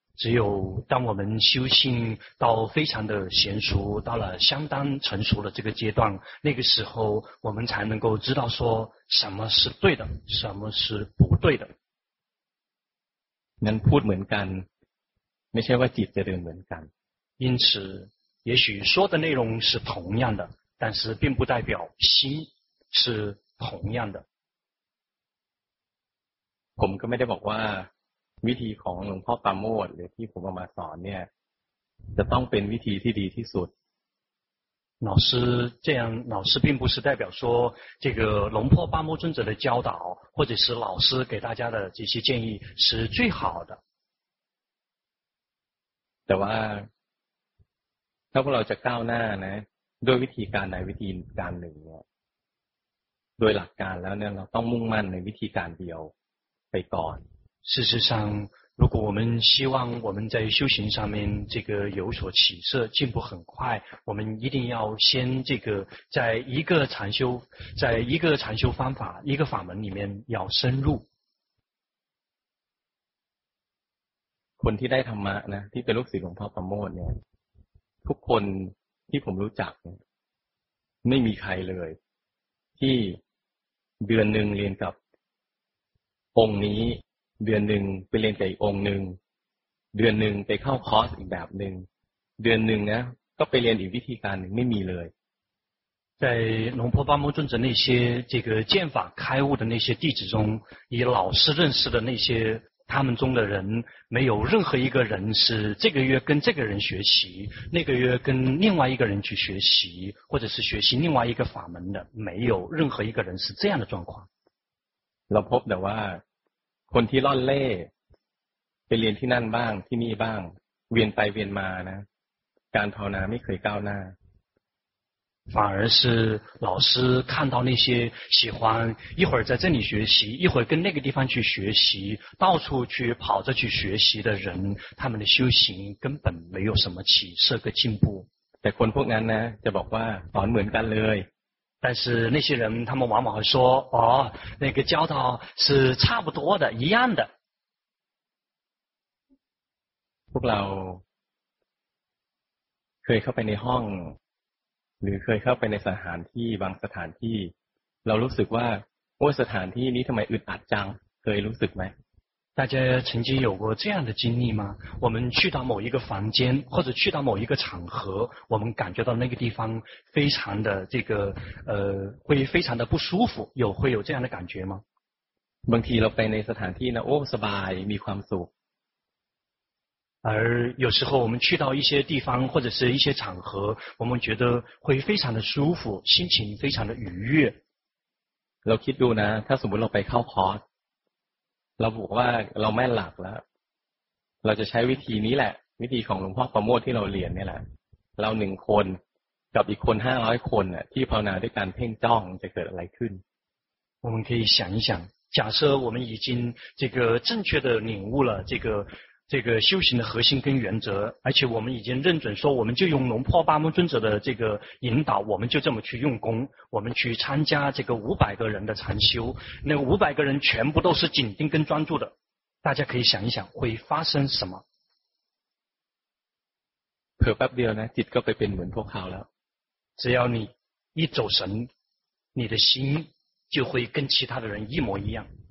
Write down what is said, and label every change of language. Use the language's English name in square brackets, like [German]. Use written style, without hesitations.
[Chinese] 只有当我们修行到非常的娴熟到了相当成熟的这个阶段那个时候我们才能够知道说什么是对的什么是不对的 [Thai] นั้นพูดเหมือนกันไม่ใช่ว่าจิตจะเดินเหมือนกัน [Chinese] 因此也许说的内容是同样的但是并不代表心是同样的 [Thai] ผมก็ไม่ได้บอกว่าวิธีของหลวงพ่อปราโมทหรือที่ผมเอามาสอนเนี่ยจะต้องเป็นวิธีที่ดีที่สุด [Chinese] 老师这样老师并不是代表说这个龙破八摩尊者的教导或者是老师给大家的这些建议是最好的 [Thai] แต่ว่าถ้าพวกเราจะก้าวหน้านะด้วยวิธีการไหนวิธีการหนึ่งเนี่ยโดยหลักการแล้วเนี่ยเราต้องมุ่งมั่นในวิธีการเดียวไปก่อน [Chinese] 事实上如果我们希望我们在修行上面这个有所起色进步很快我们一定要先这个在一个禅修方法一个法门里面要深入 [Thai] คนที่ได้ธรรมะนะที่เป็นลูกศิษย์หลวงพ่อประโมทเนี่ยทุกคนที่ผมรู้จักไม่มีใครเลยที่เดือนหนึ่งเรียนกับองค์นี้เดือนหนึ่งไปเรียนกับอีกองค์หนึ่งเดือนหนึ่งไปเข้าคอร์สอีกแบบหนึ่ง เดือนนึงนะก็ไปเรียนอีกวิธีการนึงไม่มีเลย [Chinese] 在龙婆巴木尊者那些这个剑法开悟的那些弟子中以老师认识的那些他们中的人没有任何一个人是这个月跟这个人学习那个月跟另外一个人去学习或者是学习另外一个法门的没有任何一个人是这样的状况 [Thai] เราพบแต่ว่าคนที่ล่อนเล่ไปเรียนที่นั่นบ้างที่นี่บ้างเวียนไปเวียนมานะการภาวนาไม่เคยก้าวหน้า [Chinese] 反而是老师看到那些喜欢一会儿在这里学习一会儿跟那个地方去学习到处去跑着去学习的人他们的修行根本没有什么起色个进步 [Thai] แต่คนพวกนั้นนะจะบอกว่าสอนเหมือนกันเลย [Chinese] 但是那些人他们往往会说哦那个教导是差不多的一样的 [Thai] พวกเราเคยเข้าไปในห้องหรือเคยเข้าไปในสถานที่บางสถานที่เรารู้สึกว่าโอ้สถานที่นี้ทำไมอึดอัดจังเคยรู้สึกไหม [Chinese] 大家曾经有过这样的经历吗？我们去到某一个房间，或者去到某一个场合，我们感觉到那个地方非常的这个会非常的不舒服，有会有这样的感觉吗？ [Thai] บางทีเราไปในสถานที่นะโอ้สบายมีความสุข [Chinese] 而有时候我们去到一些地方或者是一些场合，我们觉得会非常的舒服，心情非常的愉悦。 [Thai] เราคิดดูนะถ้าสมมติเราไปเข้าคอร์สเราบอกว่าเราแม่นหลักแล้วเราจะใช้วิธีนี้แหละวิธีของหลวงพ่อประโมทที่เราเรียนนี่แหละเรา1คนกับอีกคน500คนน่ะที่ภาวนาด้วยการเพ่งจ้องจะเกิดอะไรขึ้น [Chinese] 我们可以想一想假设我们已经这个正确的领悟了这个修行的核心跟原则而且我们已经认准说我们就用龙婆巴木尊者的这个引导我们就这么去用功我们去参加这个500个人的禅修那500个人全部都是紧盯跟专注的大家可以想一想会发生什么 [Thai] เผลอแป๊บเดียวนะจิตก็ไปเป็นเหมือนพวกเขาแล้ว [Chinese] 只要你一走神你的心就会跟其他的人一模一样